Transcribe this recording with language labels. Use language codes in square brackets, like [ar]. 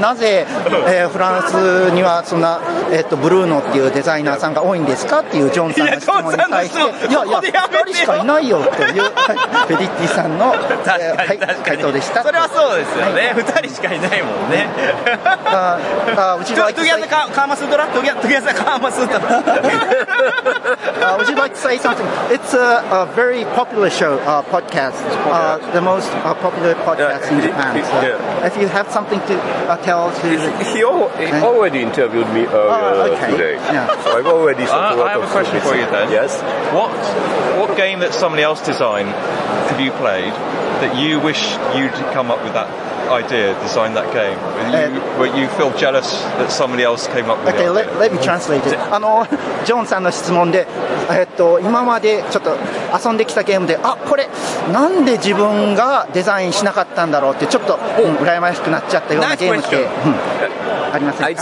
[ja] なぜフランスにはそんなブルーノっていうデザイナーさんが多いんですかっていうジョンさんの質問に対して、いやいやでやめてよ、しかいないよというフェリッティさんの確かに、はい、回答でした。それはそうですよね、はい、2人しかいないもんね。トゥギャザカーマスドラ、トゥギャザカーマスド [en] ラ。Would you like to say something? It's a very popular show, podcast, the most popular podcast in Japan. So if you have something to tell to... He already interviewed me today. Yeah. So I've already said a lot of things. I have a question for you then. Yes? What game that somebody else designed have you played that you wish you'd come up with that idea, design that game? Were you feel jealous that somebody else came up with it? Okay, let me translate it. [ja] ジョンさんの質問で、今までちょっと遊んできたゲームで、あ、これなんで自分がデザインしなかったんだろうってちょっと、羨ましくなっちゃったようなゲームってありませんか？